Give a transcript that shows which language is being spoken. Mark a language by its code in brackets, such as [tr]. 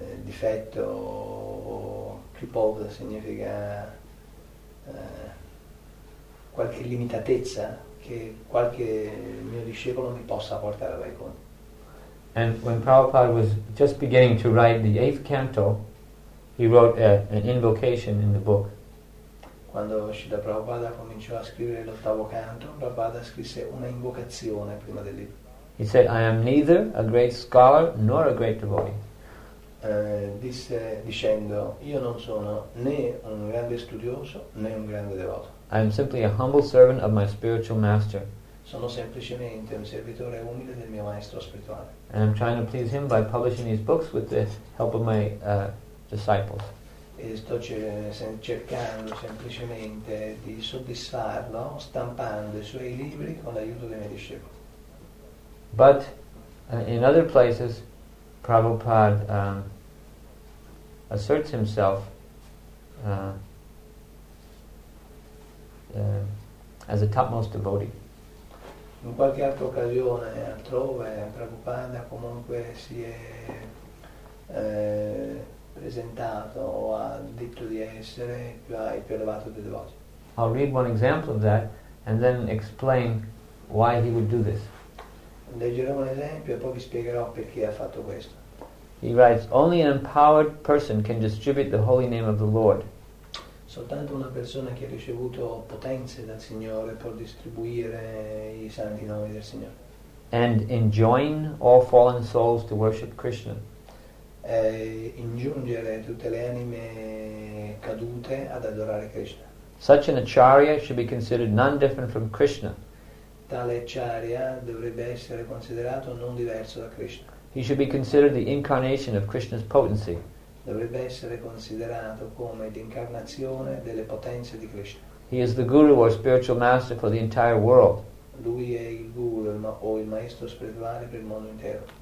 [it] difetto, kripovda significa qualche limitatezza che qualche mio discepolo mi possa portare a Vaikuntha. [en] And when Prabhupada was just beginning to write the eighth canto, he wrote an invocation in the book. [it] Quando Srila Prabhupada cominciò a scrivere l'ottavo canto, Prabhupada scrisse una invocazione prima del libro. [en] He said, "I am neither a great scholar nor a great devotee." [it] Disse dicendo, io non sono né un grande studioso né un grande devoto. [en] I am simply a humble servant of my spiritual master. [it] Sono semplicemente un servitore umile del mio maestro spirituale. [en] And I'm trying to please him by publishing these books with the help of my disciples. [it] E sto cercando semplicemente di soddisfarlo stampando i suoi libri con l'aiuto dei miei discepoli. [en] But in other places, Prabhupada asserts himself as a topmost devotee. [it] In qualche altra occasione, altrove, Prabhupada comunque si è presentato o ha detto di essere il più elevato dei devoti. [en] I'll read one example of that and then explain why he would do this. [it] Leggeremo un esempio e poi vi spiegherò perché ha fatto questo. [en] He writes, "Only an empowered person can distribute the holy name of the Lord." [it] Soltanto una persona che ha ricevuto potenze dal Signore può distribuire i santi nomi del Signore. [en] And enjoin all fallen souls to worship Krishna. [it] E ingiungere tutte le anime cadute ad adorare Krishna. [en] Such an acharya should be considered none different from Krishna. [it] Tale acharya dovrebbe essere considerato non diverso da Krishna. [en] He should be considered the incarnation of Krishna's potency. [it] Dovrebbe essere considerato come l'incarnazione delle potenze di Krishna. [en] He is the guru or spiritual master for the entire world. [it] Lui è il guru o il maestro spirituale per il mondo intero.